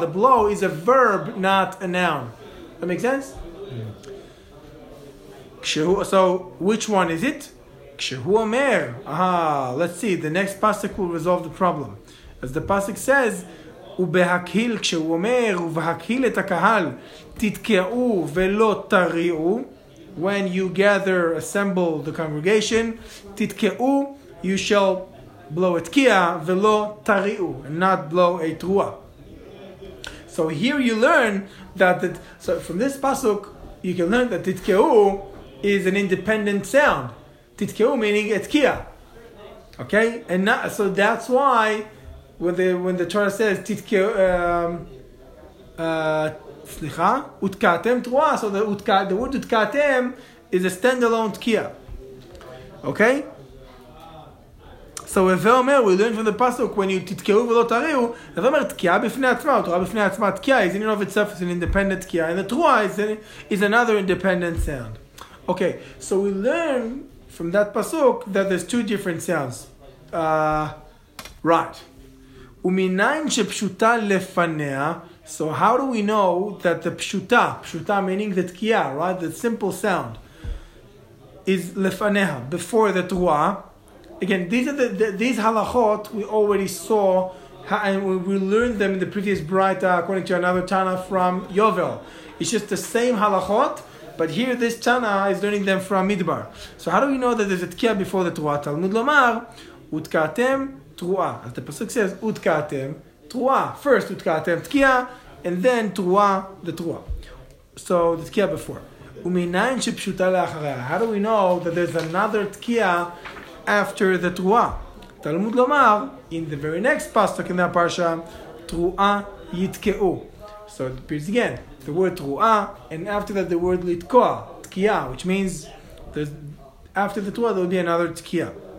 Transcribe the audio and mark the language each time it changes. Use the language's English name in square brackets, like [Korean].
[English] The blow is a verb, not a noun. That makes sense? So, which one is it? [Hebrew] כשהוא אומר. [English] Let's see, the next Pasuk will resolve the problem. As the Pasuk says, [Hebrew] ובהקהיל, כשהוא אומר, ובהקהיל את הקהל, תתקעו ולא תריעו. [English] When you gather, assemble the congregation, תתקעו, you shall blow a תקיעה [Hebrew] ולא תריעו, [English] and not blow a תרועה. So here you learn that from this pasuk, you can learn that תתקעו is an independent sound. תתקעו meaning a תקיעה. Okay? And not, so that's why When the Torah says [Hebrew] titke slicha utkatem trua, [English] so the word utkatem is a standalone tkiya. Okay. So if Omer, we learn from the pasuk when you titkeu v'lo tariu, if Omer [Hebrew] tkiya b'fnei atzma, trua b'fnei atzma, [English] tkiya is in and of itself is an independent tkiya, and the trua is another independent sound. Okay. So we learn from that pasuk that there's two different sounds. Right. [Hebrew] ומניין שפשוטה לפניה, [English] so how do we know that the פשוטה meaning the תקיעה, right? The simple sound, is לפניה, before the תרועה. Again, these are these הלכות we already saw, and we learned them in the previous Braita, according to another Tana from Yovel. It's just the same הלכות, but here this Tana is learning them from Midbar. So how do we know that there's a תקיעה before the תרועה? [Hebrew] תלמוד לומר, ותקעתם, תרועה. אז [English] the Pasuk says, [Hebrew] ותקעתם, תרועה. [English] First, ותקעתם, תקיעה, and then, תרועה, the תרועה. So, the תקיעה before. [Hebrew] ומניין שפשוטה לאחריה. [English] How do we know that there's another תקיעה after the Trua. Talmud Lomar, in the very next pasuk in that parsha, Trua Yitke'u. So it appears again, the word Trua, and after that the word Litkoa, Tkia, which means after the Trua there will be another Tkia.